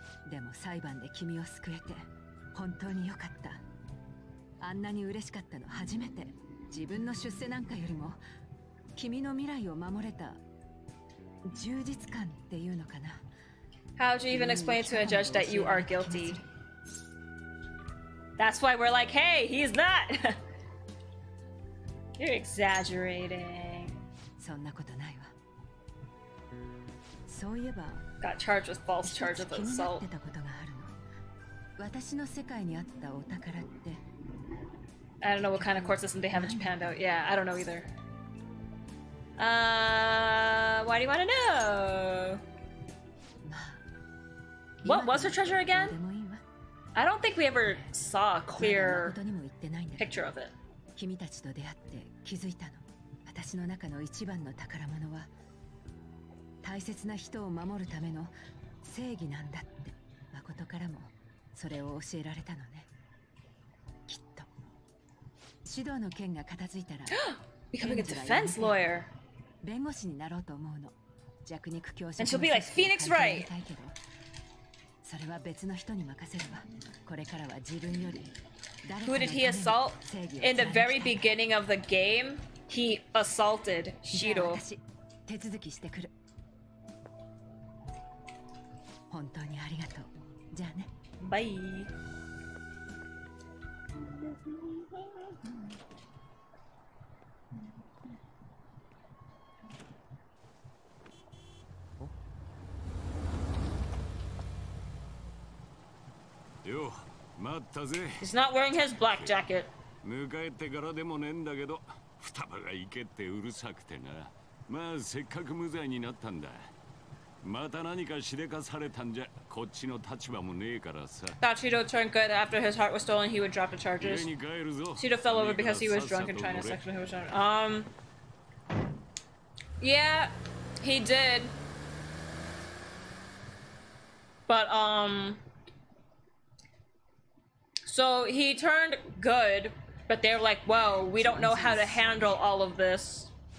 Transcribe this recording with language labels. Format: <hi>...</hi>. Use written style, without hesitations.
<ja>でも裁判で君を救えて本当に良かった。あんなに嬉しかったの初めて。自分の出世なんかよりも君の未来を守れた充実感っていうのかな。</ja> <en>How would you even explain to a judge that you are guilty? That's why we're like, hey, he's not! You're exaggerating.</en> <ja>そんなことないわ。そういえば</ja> <en>Got charged with false charge of assault. I don't know what kind of court system they have in Japan, though. Yeah, I don't know either. Why do you want to know? What was her treasure again? I don't think we ever saw a clear picture of it.</en> <ja>君たちと出会って気づいたの。私の中の一番の宝物は大切な人を守るための正義なんだって。誠からもそれを教えられたのね。きっと指導の件が片付いたら、</ja> <en>becoming a defense lawyer、</en> <ja>弁護士になろうと思うの。弱肉強食。</ja> <en>And she'll be like Phoenix Wright。</en> <ja>それは別の人に任せるわ。これからは自分より誰かのために正義を貫きたい。</ja> <en>Who did he assault? In the very beginning of the game, he assaulted Shido。</en> <ja>私手続きしてくる。本当にありがとう。じゃあね。バイ。よ、待ったぜ。</ja> <en>He's not wearing his black jacket.</en> <ja>迎えてからでもねえんだけど、双葉が行けってうるさくてな。まあせっかく無罪になったんだ。また何かしでかされたんじゃ、こっちの立場もねえからさ。</ja> <en>Thought Shido turned good after his heart was stolen, he would drop the charges. Shido fell over because he was drunk and trying to sexually harass her. Yeah, he did. But, So he turned good, but they're like, well, we don't know how to handle all of this.</en>